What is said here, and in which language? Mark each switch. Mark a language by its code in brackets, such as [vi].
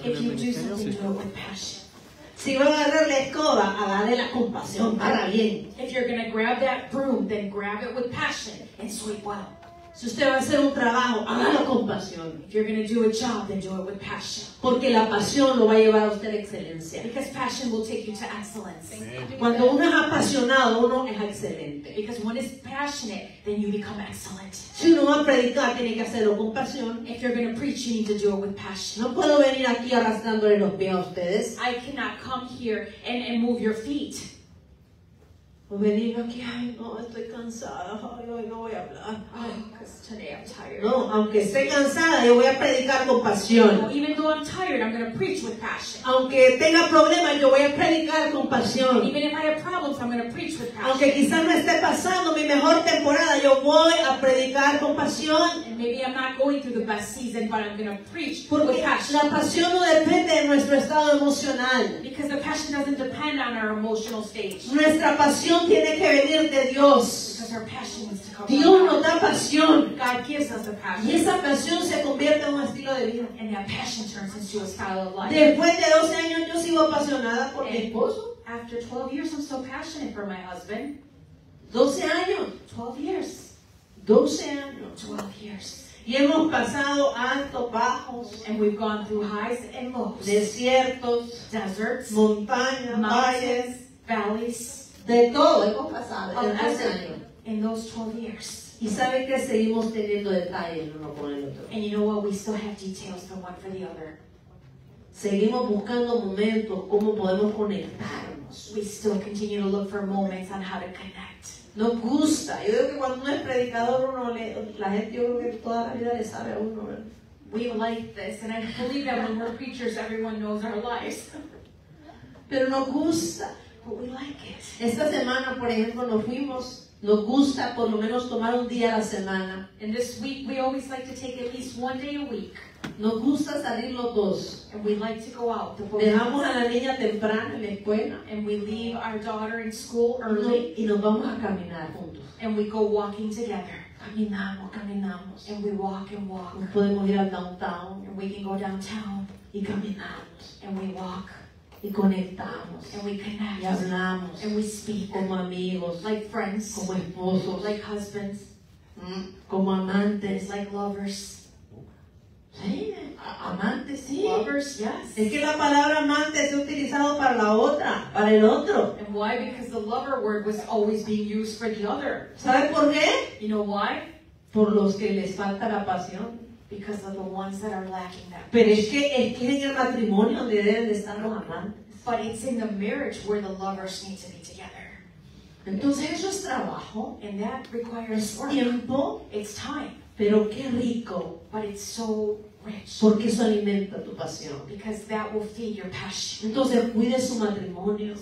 [en] If you do something, do it with passion. [es] Si va a agarrar la escoba, agarre la compasión para bien. [en] If you're gonna grab that broom, then grab it with passion and sweep well. [es] Si usted va a hacer un trabajo, hágalo con pasión. [en] If you're gonna do a job, then do it with passion. [es] Porque la pasión lo va a llevar a usted a excelencia. [en] Because passion will take you to excellence. [es] Amen. Cuando uno es apasionado, uno es excelente. [en] Because one is passionate, then you become excellent. [es] Si uno va a predicar, tiene que hacerlo con pasión. [en] If you're gonna preach, you need to do it with passion. [es] No puedo venir aquí arrastrándole los pies a ustedes. [en] I cannot come here and move your feet. [es] O venir aquí, ay no, estoy cansada, ay, ay, no voy a hablar. [en] Because today I'm tired. [es] No, aunque esté cansada, yo voy a predicar con pasión. [en] No, even though I'm tired, I'm going to preach with passion. [es] Aunque tenga problemas, yo voy a predicar con pasión. [en] Even if I have problems, I'm going to preach with passion. [es] Aunque quizás no esté pasando mi mejor temporada, yo voy a predicar con pasión. [en] And maybe I'm not going through the best season, but I'm going to preach [es] Porque [en] with passion. [es] La pasión no depende de nuestro estado emocional. [en] Because the passion doesn't depend on our emotional stage. [es] Nuestra pasión tiene que venir de Dios. Dios nos da pasión. [en] God gives us a passion. [es] Y esa pasión se convierte en un estilo de vida. [en] And that passion turns into a style of life. [es] Después de 12 años yo sigo apasionada por mi esposo. [en] After 12 years I'm still passionate for my husband. [es] 12 años. [en] 12 years. [es] 12 años. [en] 12 years. [es] Y hemos pasado altos, bajos. [en] And we've gone through highs and lows. [es] Desiertos. [en] Deserts. [es] Montañas. Valles. [en] Valleys. [es] De todo hemos pasado en 12 años. [en] In those 12 years. [es] Y sabe que seguimos teniendo detalles el uno con el otro. [en] And you know what? We still have details from one for the other. [es] Seguimos buscando momentos cómo podemos conectarnos. [en] We still continue to look for moments on how to connect. [es] Nos gusta. Yo digo que cuando uno es predicador, uno le, la gente yo creo que toda la vida le sabe a uno. [en] We like this, and I believe that when we're preachers, everyone knows our lives. [es] Pero nos gusta. [en] But we like it. [es] Esta semana, por ejemplo, nos fuimos. Nos gusta por lo menos tomar un día a la semana. [en] And this week, we always like to take at least one day a week. [es] Nos gusta salir los dos. [en] And we like to go out. [es] Dejamos a la niña temprano en la escuela. [en] And we leave our daughter in school early. [es] Y nos vamos a caminar juntos. [en] And we go walking together. [es] Caminamos, caminamos. [en] And we walk and walk. [es] Nos podemos ir al downtown. [en] And we can go downtown. [es] Y caminamos. [en] And we walk. [es] Y conectamos. [en] And we connect. [es] Y hablamos. [en] And we speak. [es] Como amigos. [en] Like friends. [es] Como esposos. [en] Like husbands. [es] Como amantes. [en] Like lovers. [es] Sí, amantes, sí. [en] Lovers, yes. [es] Es que la palabra amante es utilizado para la otra, para el otro. [en] And why? Because the lover word was always being used for the other. [es] ¿Sabe por qué? [en] You know why? [es] Por los que les falta la pasión. [en] Because of the ones that are lacking that. [es] Pero es que en el matrimonio donde deben de estar los amantes. [en] But it's in the marriage where the lovers need to be together. [es] Entonces eso es trabajo. [en] And that requires work. Tiempo. It's time. [es] Pero qué rico. [en] But it's so rich. [es] Porque eso alimenta tu pasión. [en] Because that will feed your passion. [es] Entonces cuide su matrimonio.